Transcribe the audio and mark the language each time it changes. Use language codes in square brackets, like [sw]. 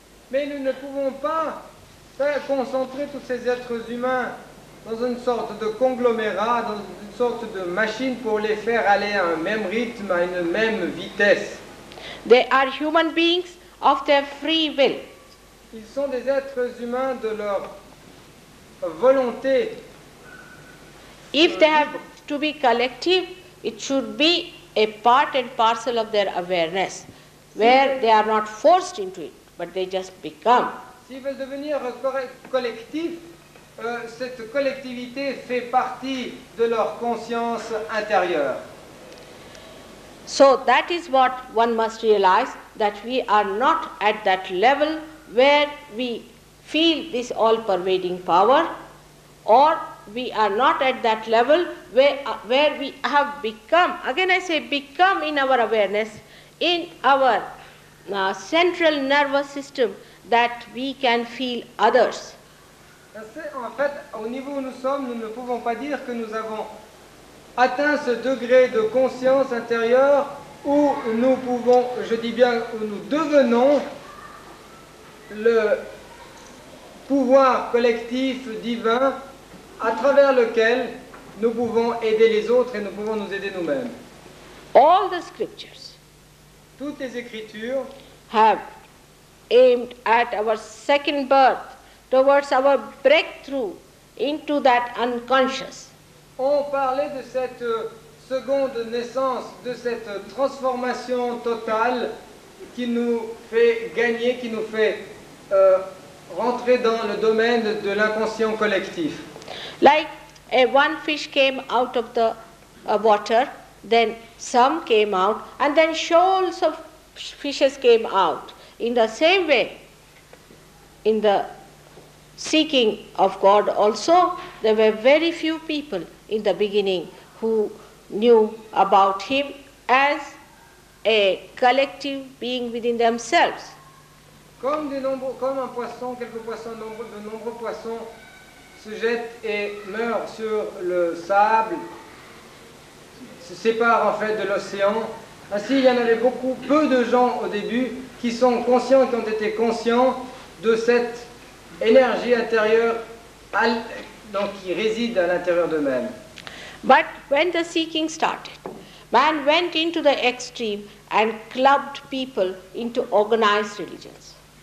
[fr] Mais nous ne pouvons pas faire concentrer tous ces êtres humains dans une sorte de conglomérat, dans une sorte de machine pour les faire aller à un même rythme, à une même vitesse. [en] They are human beings of their free will. [fr] Ils sont des êtres humains de leur volonté. [en] If they have to be collective, it should be a part and parcel of their awareness, where they are not forced into it, but they just become. [fr] S'ils veulent devenir collectifs, cette collectivité fait partie de leur conscience intérieure. [en] So that is what one must realize, that we are not at that level where we feel this all-pervading power, or we are not at that level where we have become, again I say become in our awareness, in our central nervous system, that we can feel others. [fr] En fait, au niveau où nous sommes, nous ne pouvons pas dire que nous avons atteint ce degré de conscience intérieure où nous pouvons, je dis bien, où nous devenons le pouvoir collectif divin à travers lequel nous pouvons aider les autres et nous pouvons nous aider nous-mêmes. [en] All the scriptures, [fr] toutes les écritures, [en] have aimed at our second birth, towards our breakthrough into that unconscious. [fr] On parlait de cette seconde naissance, de cette transformation totale qui nous fait gagner, qui nous fait rentrer dans le domaine de l'inconscient collectif. [en] Like a one fish came out of the water, then some came out, and then shoals of fishes came out. In the same way, in the seeking of God also, there were very few people in the beginning who knew about Him as a collective being within themselves. [fr] Comme un poisson, quelques poissons, de nombreux poissons se jettent et meurent sur le sable, se séparent en fait de l'océan. Ainsi, il y en avait beaucoup, peu de gens au début qui sont conscients, qui ont été conscients de cette énergie intérieure donc qui réside à l'intérieur d'eux-mêmes. [en] But when the seeking started, man went into the extreme and clubbed people into organized religions.